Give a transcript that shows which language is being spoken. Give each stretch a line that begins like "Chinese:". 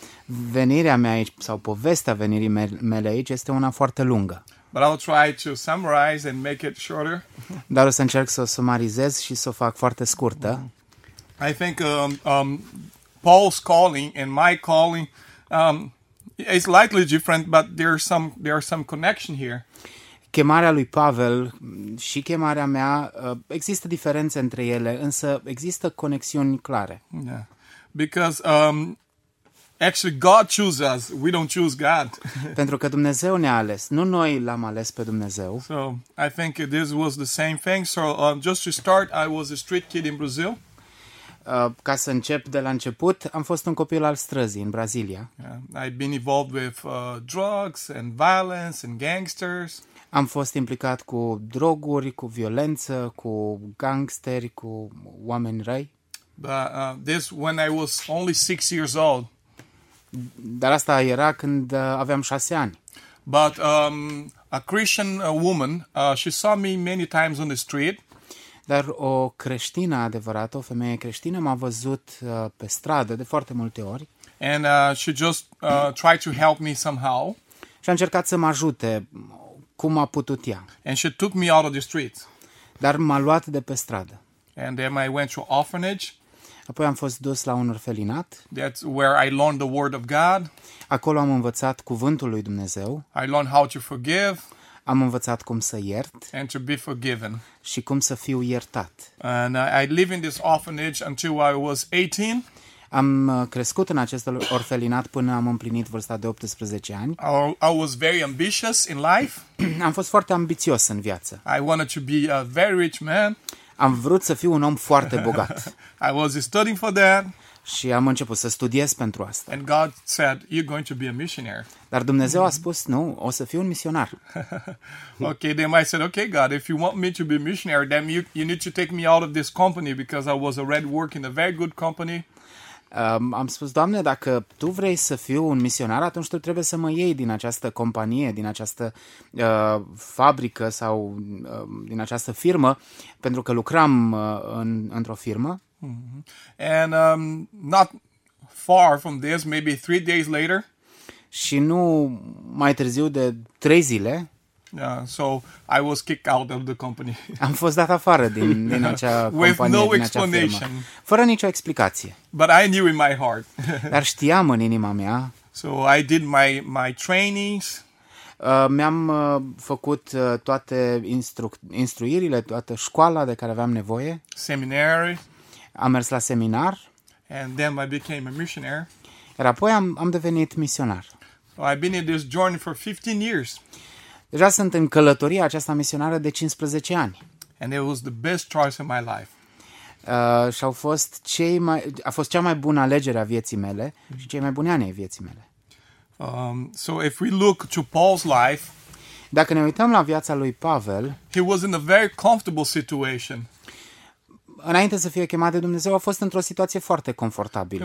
Romanian: Venirea mea aici sau povestea venirii mele aici este una foarte lungă.
English: But I'll try to summarize and make it shorter.
Romanian: Dar o să încerc să o sumarizez și să o fac foarte scurtă.
English: I think Paul's calling and my calling is slightly different, but there are some connection here.
Romanian: Chemarea lui Pavel și chemarea mea, există diferențe între ele, însă există conexiuni clare.
English: Yeah. Because actually God chooses us, we don't choose God.
Romanian: Pentru că Dumnezeu ne-a ales, nu noi l-am ales pe Dumnezeu.
English: So, I think this was the same thing. So, just to start, I was a street kid in Brazil.
Romanian: Ca să încep de la început, am fost un copil al străzii în Brazilia.
English: Yeah. I've been involved with drugs and violence and gangsters.
Romanian: Am fost implicat cu droguri, cu violență, cu gangsteri, cu oameni răi.
English: But this when I was only 6 years old.
Romanian: Dar asta era când aveam 6 ani.
English: But a Christian woman, she saw me many times on the street.
Romanian: Dar o creștină adevărată, o femeie creștină m-a văzut pe stradă de foarte multe ori.
English: And she just tried to help me somehow.
Romanian: Și a încercat să mă ajute cum a putut ea.
English: And she took me out of the street.
Romanian: Dar m-a luat de pe stradă.
English: And then I went to orphanage.
Romanian: Apoi am fost dus la un orfelinat.
English: That's where I learned the word of God.
Romanian: Acolo am învățat cuvântul lui Dumnezeu.
English: I learned how to forgive.
Romanian: Am învățat cum să iert.
English: And to be forgiven.
Romanian: Și cum să fiu iertat.
English: And I lived in this orphanage until I was 18.
Romanian: Am crescut în acest orfelinat până am împlinit vârsta de 18 ani.
English: I was very ambitious in life.
Romanian: Am fost foarte ambițios în viață.
English: I wanted to be a very rich man.
Romanian: Am vrut să fiu un om foarte bogat.
English: I was studying for that.
Romanian: Și am început să studiez pentru asta.
English: And God said, you're going to be a missionary.
Romanian: Dar Dumnezeu a spus, nu, o să fiu un misionar.
English: Okay, then I said, okay, God, if you want me to be a missionary, then you need to take me out of this company because I was already working in a very good company.
Romanian: Am spus, Doamne, dacă tu vrei să fiu un misionar, atunci tu trebuie să mă iei din această companie, din această fabrică sau din această firmă, pentru că lucram într-o firmă. Mm-hmm.
English: And not far from this, maybe 3 days later.
Romanian: Și nu mai târziu de 3 zile.
English: Yeah, so I was kicked out of the company.
Romanian: Am fost dat afară din acea companie, din acea firmă. Fără nicio explicație.
English: But I knew in my heart.
Romanian: Dar știam în inima mea.
English: So I did my trainings.
Romanian: Mi-am făcut toate instruirile, toată școala de care aveam nevoie.
English: Seminary.
Romanian: Am mers la seminar.
English: And then I became a missionary.
Romanian: Iar apoi am devenit misionar.
English: So I've been in this journey for 15 years.
Romanian: Deja sunt în călătoria aceasta misionară de 15 ani.
English: And it was the best choice of my life.
Romanian: Și au fost a fost cea mai bună alegere a vieții mele și cei mai buni ani ai vieții mele.
English: So if we look to Paul's life,
Romanian: dacă ne uităm la viața lui Pavel,
English: he was in a very comfortable situation.
Romanian: Înainte să fie chemat de Dumnezeu, a fost într-o situație foarte confortabilă.